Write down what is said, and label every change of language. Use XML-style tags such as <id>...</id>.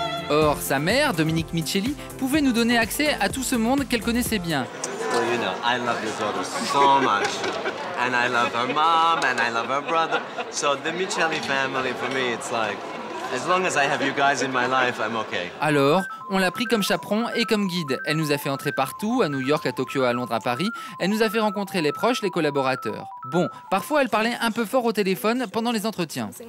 <fr>Or, sa mère, Dominique Micheli, pouvait nous donner accès à tout ce monde qu'elle connaissait bien.</fr> <en>Well, you know, I love your daughter so much, and I love her mom, and I love her brother. So the Micheli family, for me, it's like, as long as I have you guys in my life, I'm okay.</en> <fr>Alors, on l'a pris comme chaperon et comme guide. Elle nous a fait entrer partout, à New York, à Tokyo, à Londres, à Paris. Elle nous a fait rencontrer les proches, les collaborateurs. Bon, parfois, elle parlait un peu fort au téléphone pendant les entretiens.</fr>